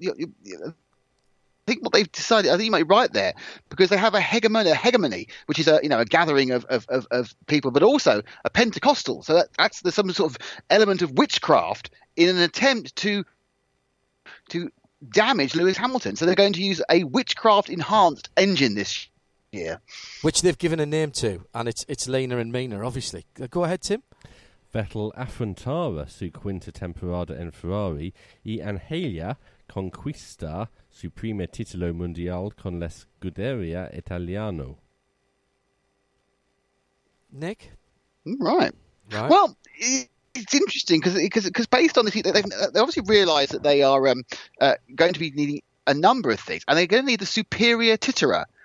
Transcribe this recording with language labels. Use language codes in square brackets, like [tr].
[en] I think what they've decided, I think you might be right there, because they have a hegemony, which is a gathering of people, but also a Pentecostal. So that's some sort of element of witchcraft in an attempt to damage Lewis Hamilton. So they're going to use a witchcraft enhanced engine this year, which they've given a name to, and it's Lena and Mina, obviously. Go ahead, Tim. [es] Vettel afrontará su quinta temporada en Ferrari y Angelia conquista su primer título mundial con la Scuderia Italiano. [en] Nick? Right. Well, it's interesting because based on this, they obviously realise that they are going to be needing a number of things, and they're going to need the superior titterer.